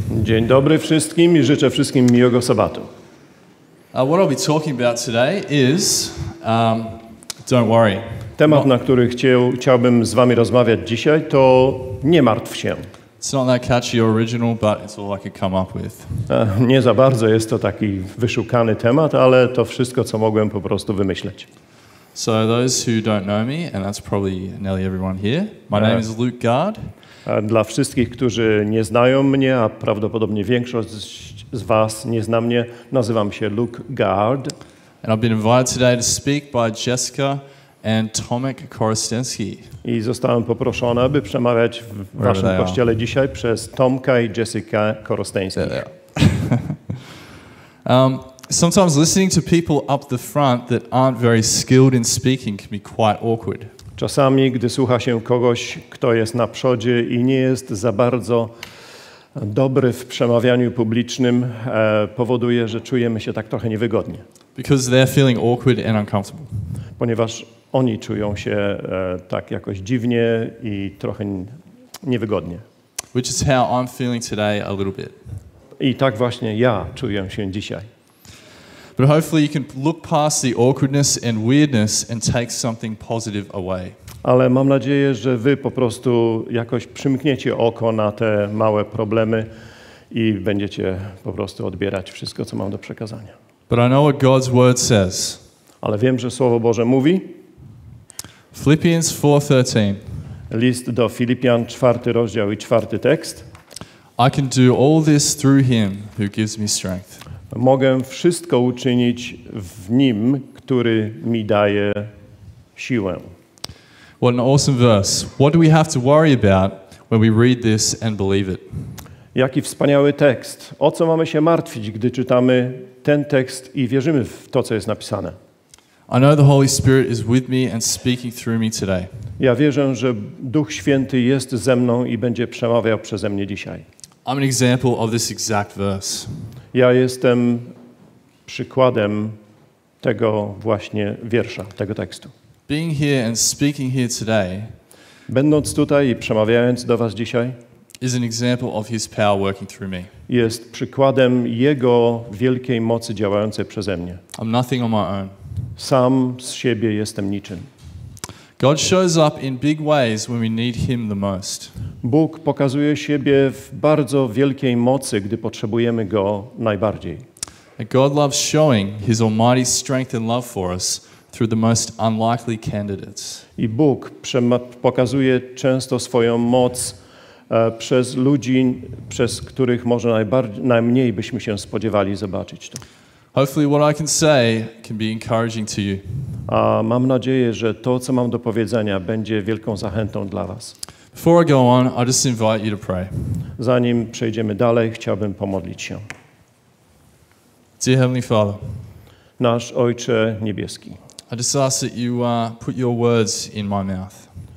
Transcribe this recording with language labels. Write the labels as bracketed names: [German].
[Polish] Dzień dobry wszystkim i życzę wszystkim miłego sabatu. [English] What I'll be talking about today is, don't worry. [Polish] Temat, na który chciałbym z wami rozmawiać dzisiaj, to nie martw się. [English] It's not that catchy or original, but it's all I could come up with. [Polish] Nie za bardzo jest to taki wyszukany temat, ale to wszystko, co mogłem po prostu wymyśleć. [English] So those who don't know me, and that's probably nearly everyone here, my name is Luke Gard. [Polish] Dla wszystkich, którzy nie znają mnie, a prawdopodobnie większość z was nie zna mnie, nazywam się Luke Gard. [English] And I've been invited today to speak by Jessica and Tomek Korostenski. [Polish] I zostałem poproszony, aby przemawiać w waszym kościele dzisiaj przez Tomka i Jessica Korosteński. [English] Sometimes listening to people up the front that aren't very skilled in speaking can be quite awkward. [Polish] Czasami, gdy słucha się kogoś, kto jest na przodzie i nie jest za bardzo dobry w przemawianiu publicznym, powoduje, że czujemy się tak trochę niewygodnie. [English] Because they're feeling awkward and uncomfortable. [Polish] Ponieważ oni czują się tak jakoś dziwnie i trochę niewygodnie. [English] Which is how I'm feeling today a little bit. [Polish] I tak właśnie ja czuję się dzisiaj. [English] But hopefully you can look past the awkwardness and weirdness and take something positive away. [Polish] Ale mam nadzieję, że wy po prostu jakoś przymkniecie oko na te małe problemy i będziecie po prostu odbierać wszystko, co mam do przekazania. [English] But I know what God's word says. [Polish] Ale wiem, że Słowo Boże mówi. [English] Philippians 4:13. [Polish] List do Filipian, 4 rozdział i 4 tekst. [English] I can do all this through him who gives me strength. [Polish] Mogę wszystko uczynić w Nim, który mi daje siłę. [English] What an awesome verse. What do we have to worry about when we read this and believe it? [Polish] Jaki wspaniały tekst. O co mamy się martwić, gdy czytamy ten tekst i wierzymy w to, co jest napisane? [English] I know the Holy Spirit is with me and speaking through me today. [Polish] Ja wierzę, że Duch Święty jest ze mną i będzie przemawiał przeze mnie dzisiaj. [English] I'm an example of this exact verse. [Polish] Ja jestem przykładem tego właśnie wiersza, tego tekstu. [English] Being here and speaking here today, [Polish] będąc tutaj i przemawiając do was dzisiaj, [English] is an example of his power working through me. [Polish] Jest przykładem jego wielkiej mocy działającej przeze mnie. [English] I'm nothing on my own. [Polish] Sam z siebie jestem niczym. [English] God shows up in big ways when we need him the most. [Polish] Bóg pokazuje siebie w bardzo wielkiej mocy, gdy potrzebujemy go najbardziej. [English] And God loves showing his almighty strength and love for us through the most unlikely candidates. [Polish] I Bóg pokazuje często swoją moc przez ludzi, przez których może najmniej byśmy się spodziewali zobaczyć to. [English] Hopefully what I can say can be encouraging to you. [Polish] A mam nadzieję, że to, co mam do powiedzenia, będzie wielką zachętą dla was. [English] Before I go on, I just invite you to pray. [Polish] Zanim przejdziemy dalej, chciałbym pomodlić się. [English] Dear Heavenly Father, [Polish] nasz Ojcze Niebieski, [English] I just ask that you put your words in my mouth.